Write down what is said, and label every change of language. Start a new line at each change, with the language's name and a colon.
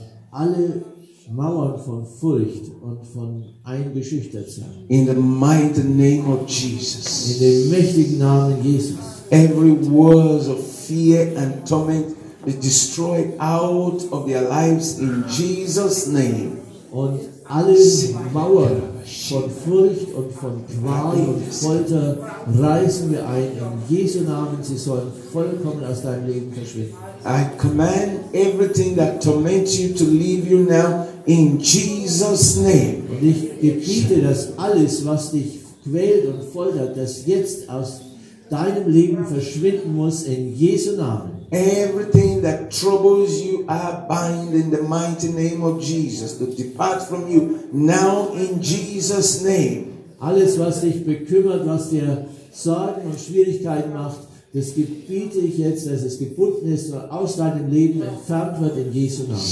German: Alle Mauern von Furcht und von eingeschüchtert sein.
English: In the mighty name of Jesus.
German: In dem mächtigen Namen Jesus.
English: Every walls of fear and torment be destroyed out of their lives in Jesus' name.
German: Und alle Mauern von Furcht und von Qual und Folter reißen wir ein in Jesu Namen. Sie sollen vollkommen aus deinem Leben verschwinden.
English: I command everything that torments you to leave you now in Jesus' name.
German: Und ich gebiete, dass alles, was dich quält und foltert, das jetzt aus deinem Leben verschwinden muss in Jesu Namen.
English: Everything that troubles you, I bind in the mighty name of Jesus to depart from you now in Jesus' name.
German: Alles, was dich bekümmert, was dir Sorgen und Schwierigkeiten macht, das gebiete ich jetzt, dass es gebunden ist und aus deinem Leben entfernt wird in Jesu